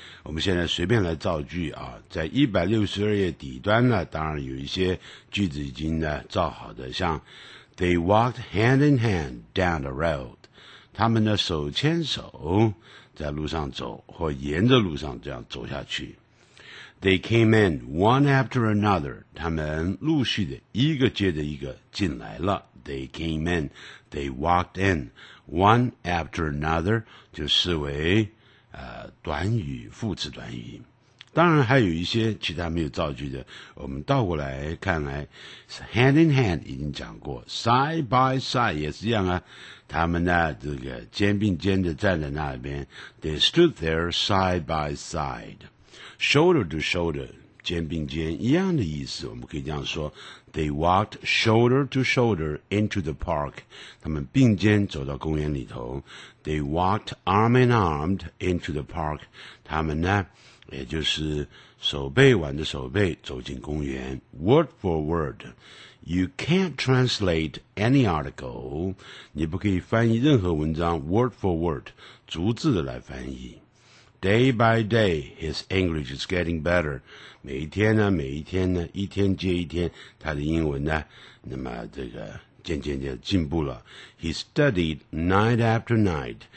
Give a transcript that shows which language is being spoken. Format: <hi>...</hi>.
<zh>我们现在随便来造句啊，在162页底端呢，当然有一些句子已经呢造好的，像</zh> <en>They walked hand in hand down the road，</en> <zh>他们呢手牵手在路上走，或沿着路上这样走下去。</zh> <en>They came in one after another，</en> <zh>他们陆续的一个接着一个进来了。</zh> <en>They came in, they walked in, one after another，</en> <zh>就视为短语，副词短语。当然还有一些其他没有造句的，我们倒过来看来 ，hand in hand 已经讲过 ，side by side 也是一样啊。他们呢，这个肩并肩的站在那边</zh> <en>，they stood there side by side， shoulder to shoulder。</en> <zh>肩并肩一样的意思，我们可以这样说</zh> <en>They walked shoulder to shoulder into the park，</en> <zh>他们并肩走到公园里头。</zh> <en>They walked arm in arm into the park，</en> <zh>他们呢也就是手背挽着手背走进公园。</zh> <en>Word for word， You can't translate any article，</en> <zh>你不可以翻译任何文章</zh> <en>word for word，</en> <zh>逐字的来翻译。</zh> <en>Day by day, his English is getting better.</en> <zh>每一天呢，一天接一天，他的英文呢，那么这个渐渐进步了。</zh> <en>He studied night after night.</en>